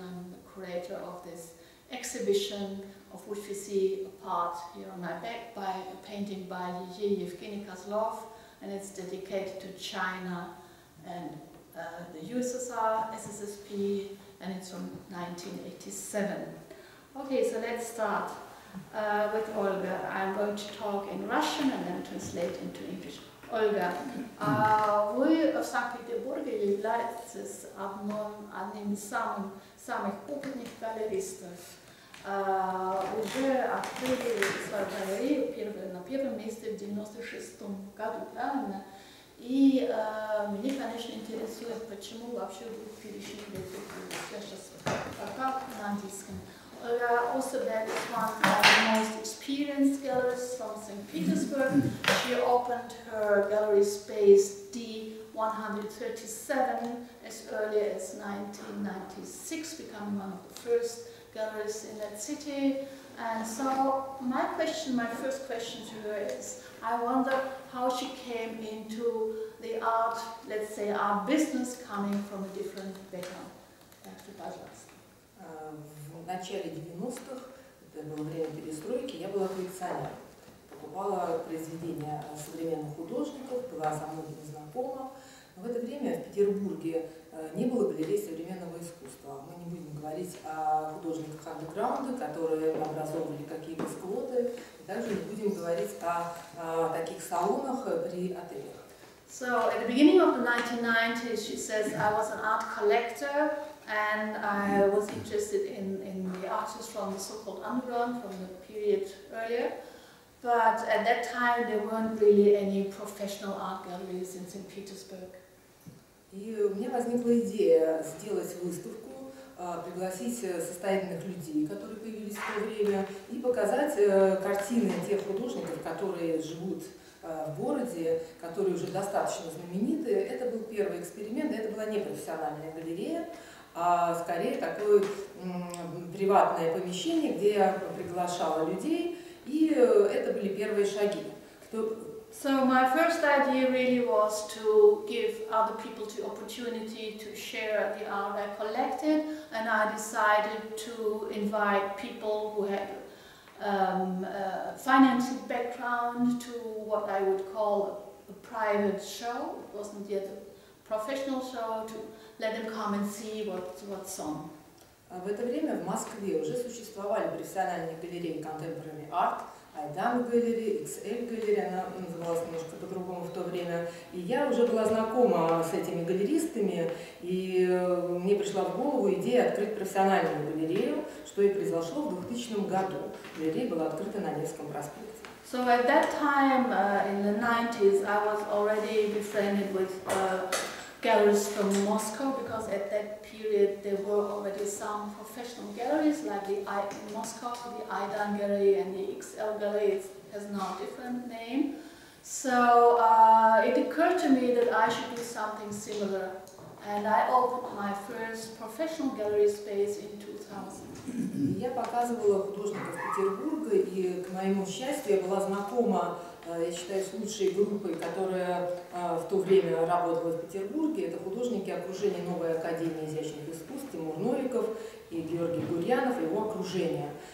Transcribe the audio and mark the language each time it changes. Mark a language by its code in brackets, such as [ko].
[en] I'm the curator of this exhibition, of which we see a part here on my back by a painting by Yevgeny Kozlov, and it's dedicated to China and the USSR, SSSP, and it's from 1987. Okay, so let's start with Olga. I'm going to talk in Russian and then translate into English. [ru] Olga, вы в Санкт-Петербурге являетесь одним из самых опытных галеристов. Уже открыли свою галерею на первом месте в 96-м году, правильно? И мне, конечно, интересует, почему вообще вы перешли в эту галерею. Я сейчас пока на английском. [en] Olga Osterbeck is one of the most experienced gallerists from St. Petersburg. She opened her gallery space D137 as early as 1996, becoming one of the first galleries in that city. And so my question, my first question to her is, I wonder how she came into the art, let's say, art business, coming from a different background. Back to Bajas. [ru] В начале 90-х, это было время перестройки, я была коллекционером. Покупала произведения современных художников, была со многими знакома. Но в это время в Петербурге не было галерей современного искусства. Мы не будем говорить о художниках андеграунда, которые образовывали какие-то склады. Также не будем говорить о таких салонах при отелях. [en] So at the beginning of the 1990s, she says, I was an art collector and I was interested in the artists from the so-called underground, from the period earlier. But at that time, there weren't really any professional art galleries in St. Petersburg. [ru] И у меня возникла идея сделать выставку, пригласить состоятельных людей, которые появились в то время, и показать картины тех художников, которые живут в городе, которые уже достаточно знамениты. Это был первый эксперимент, это была не профессиональная галерея, а скорее такое приватное помещение, где я приглашала людей, и это были первые шаги. [en] So my first idea really was to give other people the opportunity to share the art I collected, and I decided to invite people who had financial background to what I would call a private show. It wasn't yet a professional show, to let them come and see what's on. [ru] В это время в Москве уже существовали профессиональные галереи [en] contemporary art, [ru] Айдам Галери, XL Галери, она называлась немножко по-другому в то время. И я уже была знакома с этими галеристами, и мне пришла в голову идея открыть профессиональную галерею, что и произошло в 2000 году. Галерея была открыта на Невском проспекте. [en] So at that time, in the 90s, I was already befriended with galleries from Moscow, because at that period there were already some professional galleries like the in Moscow, the Aydan Gallery and the XL Gallery. It has now a different name. So it occurred to me that I should do something similar. And I opened my first professional gallery space in 2000. [ru] Я показывала художников Петербурга, и, к моему счастью, я была знакома, я считаю, с лучшей группой, которая в то время работала в Петербурге. Это художники окружения Новой Академии изящных искусств, Тимур Новиков и Георгий Гурьянов, его окружение.